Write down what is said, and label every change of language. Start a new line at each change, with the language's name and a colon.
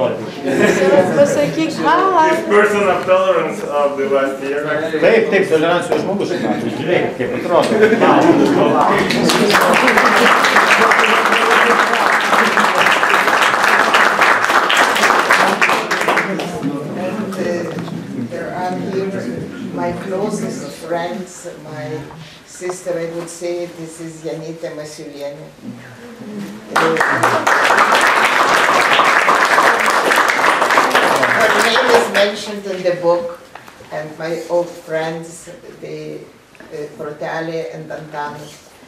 English: His person of tolerance of the last year.
Lithuanian: Taip, taip, tolerancijos žmogus, kaip atrodo.
English: There are here my closest friends, my sister, I would say, this is Janita Masiuliene. Mentioned in the book, and my old friends, the Protale and Antani.